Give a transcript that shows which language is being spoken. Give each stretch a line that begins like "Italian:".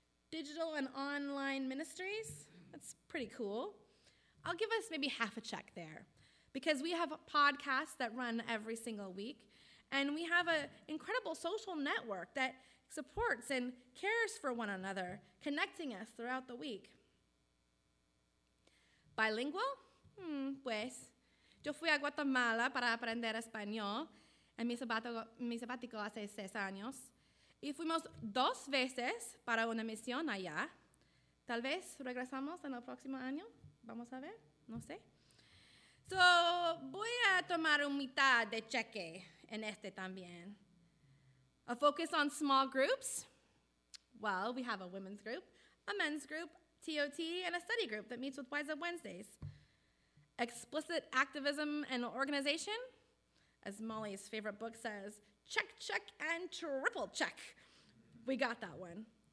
English: Digital and online ministries, that's pretty cool. I'll give us maybe half a check there, because we have podcasts that run every single week, and we have an incredible social network that supports and cares for one another, connecting us throughout the week. Bilingual?
Spanish: Pues, yo fui a Guatemala para aprender español. En mi sabático hace 6 años. Y fuimos 2 veces para una misión allá. Tal vez regresamos en el próximo año. Vamos a ver. No sé.
English: So,
Spanish: voy a tomar un mitad de cheque en este también.
English: A focus on small groups? Well, we have a women's group, a men's group, TOT, and a study group that meets with Wise Up Wednesdays. Explicit activism and organization? As Molly's favorite book says, check, check, and triple check. We got that one.